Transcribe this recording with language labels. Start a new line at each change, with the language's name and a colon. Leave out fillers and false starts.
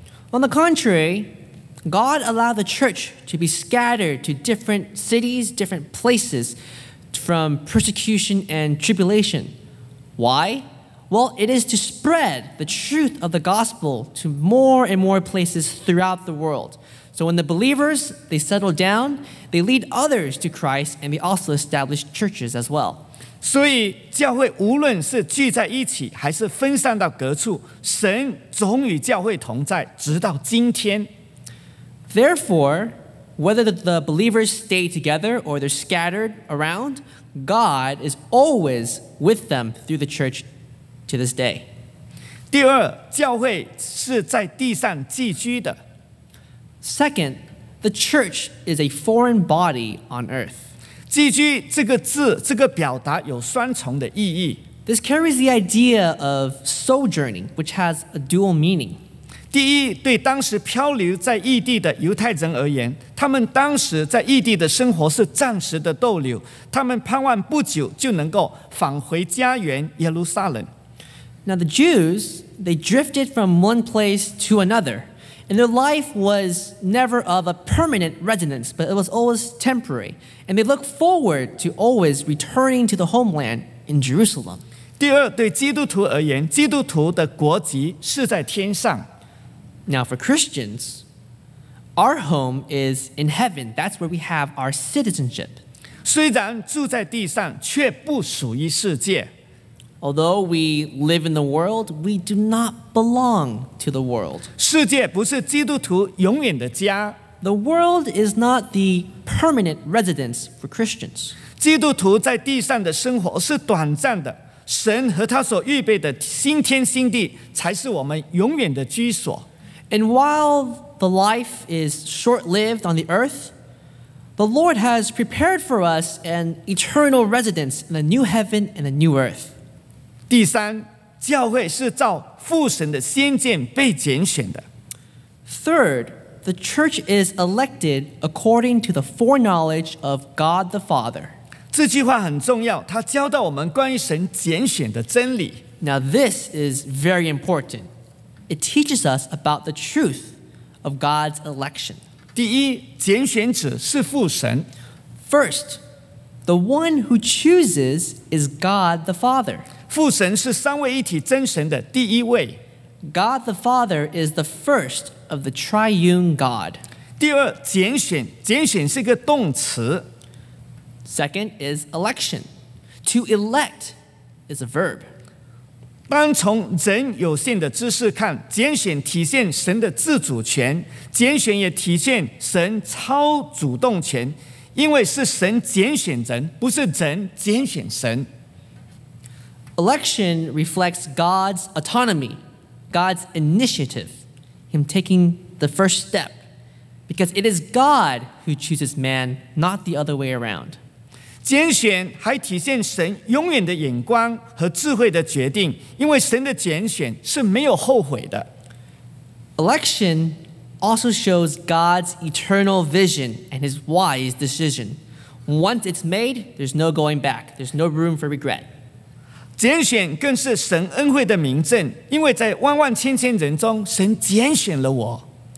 English: On the contrary, God allowed the church to be scattered to different cities, different places. From persecution and tribulation. Why? Well, it is to spread the truth of the gospel to more and more places throughout the world. So when the believers, they settle down, they lead others to Christ and they also establish churches as well.
Chinese: 所以教会无论是聚在一起还是分散到各处，神总与教会同在，直到今天。
English: Therefore,Whether the believers stay together or they're scattered around, God is always with them through the church to this day.
Chinese: 第二，教会是在地上寄居的。
English: Second, the church is a foreign body on earth.
Chinese: 寄居这个字，这个表达有双重的意义。
English: This carries the idea of sojourning, which has a dual meaning.
Chinese: 第一，对当时漂流在异地的犹太人而言，他们当时在异地的生活是暂时的逗留，他们盼望不久就能够返回家园耶路撒冷。
English: Now the Jews, they drifted from one place to another, and their life was never of a permanent residence, but it was always temporary, and they looked forward to always returning to the homeland in Jerusalem.
Chinese: 第二，对基督徒而言，基督徒的国籍是在天上。
English: Now for Christians, our home is in heaven. That's where we have our citizenship.
Chinese: 虽然住在地上，却不属于世界。
English: Although we live in the world, we do not belong to the world.
Chinese: 世界不是基督徒永远的家。
English: The world is not the permanent residence for Christians.
Chinese: 基督徒在地上的生活是短暂的，神和他所预备的新天新地才是我们永远的居所。
English: And while the life is short-lived on the earth, the Lord has prepared for us an eternal residence in the new heaven and the new earth.
Chinese: 第三，教会是照父神的先见被拣选的。
English: Third, the church is elected according to the foreknowledge of God the Father.
Chinese: 这句话很重要，它教导我们关于神拣选的真理。
English: Now this is very important. It teaches us about the truth of God's election.
Chinese: 第一，拣选者是父神。
English: First, the one who chooses is God the Father.
Chinese: 父神是三位一体真神的第一位。
English: God the Father is the first of the triune God.
Chinese: 第二，拣选，拣选是个动词。
English: Second is election. To elect is a verb.
Chinese: 单从人有限的知识看，拣选体现神的自主权，拣选也体现神超主动权，因为是神拣选人，不是人拣选神。
English: Election reflects God's autonomy, God's initiative, Him taking the first step, because it is God who chooses man, not the other way around.
Chinese: 拣选还体现神永远的眼光和智慧的决定，因为神的拣选是没有后悔的。
English: Election also shows God's eternal vision and His wise decision. Once it's made, there's no going back. There's no room for regret.
Chinese: 拣选更是神恩惠的明证，因为在万万千千人中，神拣选了我。